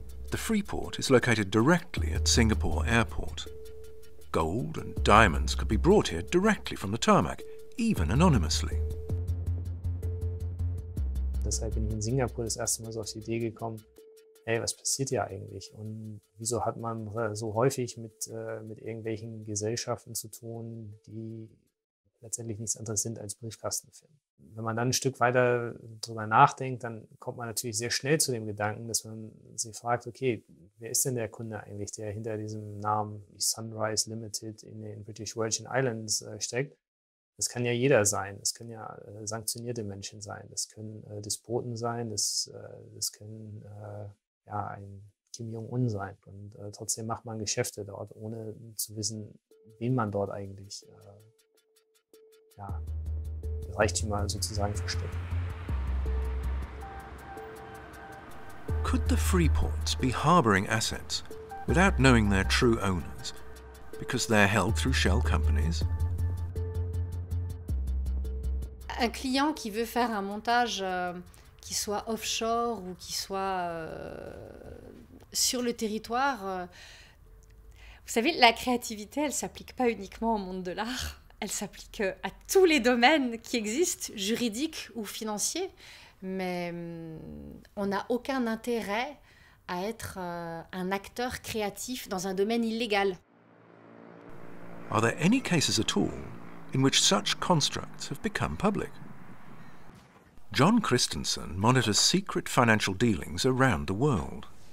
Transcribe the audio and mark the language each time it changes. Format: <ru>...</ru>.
<en>The Freeport is located directly at Singapore Airport. Gold and diamonds could be brought here directly from the tarmac, even anonymously.</en> <de>Deshalb bin ich in Singapur das erste Mal so auf die Idee gekommen, hey, was passiert hier eigentlich? Und wieso hat man so häufig mit irgendwelchen Gesellschaften zu tun, die letztendlich nichts anderes sind als Briefkastenfirmen? Wenn man dann ein Stück weiter drüber nachdenkt, dann kommt man natürlich sehr schnell zu dem Gedanken, dass man sich fragt, okay, wer ist denn der Kunde eigentlich, der hinter diesem Namen Sunrise Limited in den British Virgin Islands steckt? Das kann ja jeder sein, das können ja sanktionierte Menschen sein, das können Despoten sein, das können ein Kim Jong-un sein. Und trotzdem macht man Geschäfte dort, ohne zu wissen, wen man dort eigentlich Reichtümer sozusagen versteckt.</de> <en>Could the Freeports be harboring assets without knowing their true owners, because they're held through shell companies?</en> <fr>Un client qui veut faire un montage qui soit offshore ou qui soit sur le territoire, vous savez, la créativité, elle s'applique pas uniquement au monde de l'art, elle s'applique à tous les domaines qui existent, juridiques ou financiers, mais on n'a aucun intérêt à être un acteur créatif dans un domaine illégal.</fr> <en>Are there any cases at all in which such constructs have become public? John Christensen monitors secret financial dealings around the world.</en>